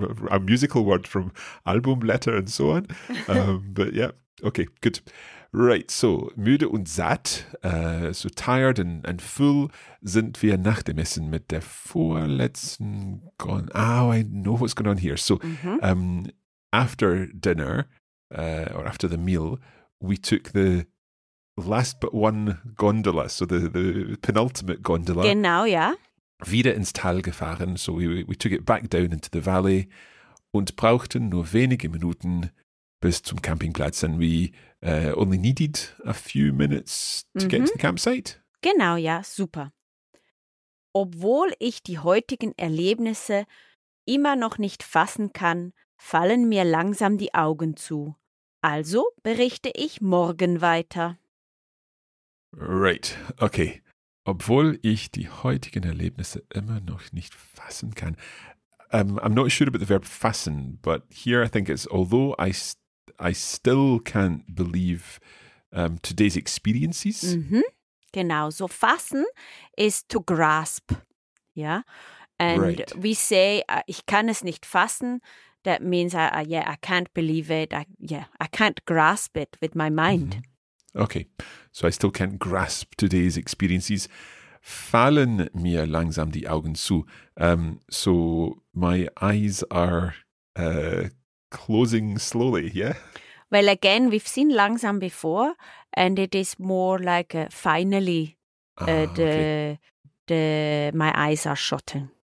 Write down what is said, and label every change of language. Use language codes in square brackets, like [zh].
[en] A musical word from album, letter, and so on. but yeah, okay, good. [de] Right, so müde und satt, [en] so tired and full, [de] sind wir nach dem Essen mit der vorletzten gone. [en] Oh, I know what's going on here. So after dinner, or after the meal, we took the last but one gondola, so the penultimate gondola. [de] Genau, ja. Wieder ins Tal gefahren, [en] so we took it back down into the valley [de] und brauchten nur wenige Minuten bis zum Campingplatz. [en] And we only needed a few minutes to get to the campsite. [de] Genau, ja, super. Obwohl ich die heutigen Erlebnisse immer noch nicht fassen kann, fallen mir langsam die Augen zu. Also berichte ich morgen weiter. [en] Right, okay. [de] Obwohl ich die heutigen Erlebnisse immer noch nicht fassen kann. [en] I'm not sure about the verb fassen, but here I think it's although I still can't believe today's experiences. Mm-hmm. [de] Genau, [en] so fassen is to grasp. Yeah. And right. We say, [de] ich kann es nicht fassen. [en] That means, I can't believe it. I can't grasp it with my mind. Mm-hmm. Okay, so I still can't grasp today's experiences. [de] Fallen mir langsam die Augen zu. [en] So my eyes are closing slowly, yeah? Well, again, we've seen langsam before, and it is more like finally, my eyes are shutting.